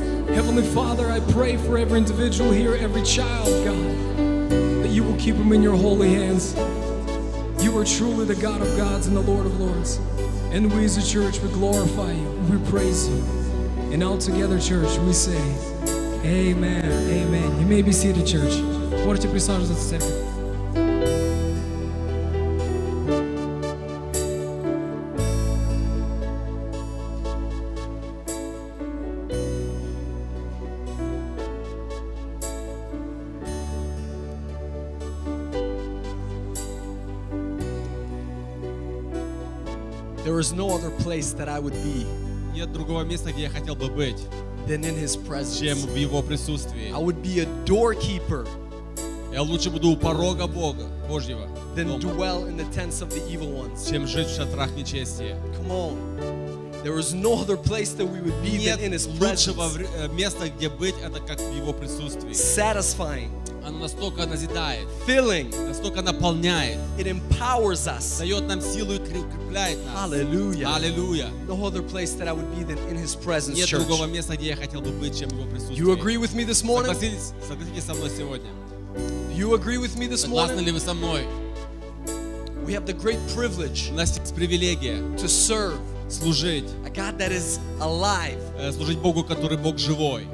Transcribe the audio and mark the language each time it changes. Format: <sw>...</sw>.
<en>Heavenly Father, I pray for every individual here, every child, God, that You will keep them in Your holy hands. You are truly the God of gods and the Lord of lords. And we as a church, we glorify You, we praise You. And all together, church, we say, amen, amen. You may be seated, church.</en> <ru>Можете присаживаться в церкви.</ru> <en>There is no other place that I would be.</en> <ru>Нет другого места, где я хотел бы быть.</ru> <en>Than in His presence.</en> <ru>Чем в Его присутствии.</ru> <en>I would be a doorkeeper.</en> <ru>Я лучше буду у порога Бога Божьего.</ru> <en>Than dwell in the tents of the evil ones.</en> <ru>Чем жить в шатрах нечестия.</ru> <en>Come on. There is no other place that we would be than in His presence.</en> <ru>Нет лучшего места, где быть, это как в Его присутствии.</ru> <en>Satisfying.</en> <ru>Оно настолько назидает.</ru> <en>Filling.</en> <ru>Настолько наполняет.</ru> <en>It empowers us.</en> <ru>Дает нам силу и укрепляет нас.</ru> <en>Hallelujah. Hallelujah. No other place that I would be than in His presence,</en> <ru>Нет</ru> <en>church.</en> <ru>Другого места, где я хотел бы быть, чем в Его присутствии.</ru> <en>You agree with me this morning?</en> <ru>Согласитесь со мной сегодня.</ru> <en>Do you agree with me this</en> <ru>Согласны</ru> <en>morning?</en> <ru>Согласны ли вы со мной?</ru> <en>We have the great privilege.</en> <ru>У нас есть привилегия.</ru> <en>To serve.</en> <ru>Служить.</ru> <en>A God that is alive.</en> <ru>Служить Богу, который Бог живой.</ru>